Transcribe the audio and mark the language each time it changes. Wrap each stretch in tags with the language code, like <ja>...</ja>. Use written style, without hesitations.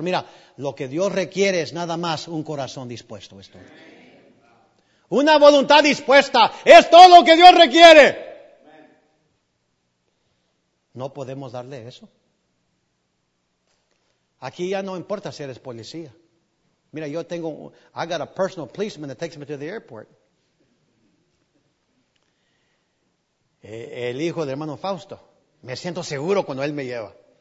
<es>Mira, lo que Dios requiere es nada más un corazón dispuesto. Es todo. Una voluntad dispuesta. Es todo lo que Dios requiere. No podemos darle eso. Aquí ya no importa si eres policía. Mira, yo tengo,</es> <en>I got a personal policeman that takes me to the airport.</en> <es>El hijo del hermano Fausto. Me siento seguro cuando él me lleva.</es>